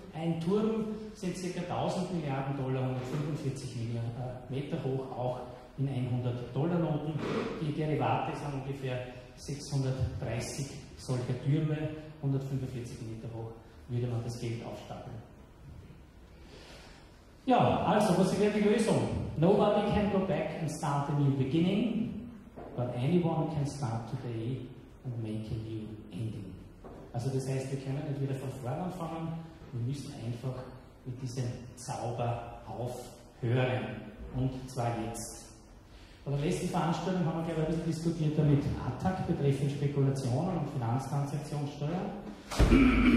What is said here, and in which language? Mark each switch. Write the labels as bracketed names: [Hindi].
[German] Ein Turm sind ca. 1000 Milliarden Dollar, 145 Meter hoch, auch in 100-Dollar-Noten. Die Derivate sind ungefähr 630 solcher Türme, 145 Meter hoch, würde man das Geld aufstapeln. Ja, also, was wäre die Lösung? [English] Nobody can go back and start a new beginning, but anyone can start today and make a new ending. [German] Also das heißt, wir können nicht wieder von vorne anfangen, wir müssen einfach mit diesem Zauber aufhören. Und zwar jetzt. Bei der letzten Veranstaltung haben wir gerade ein bisschen diskutiert damit ATTAC betreffend Spekulationen und Finanztransaktionssteuer.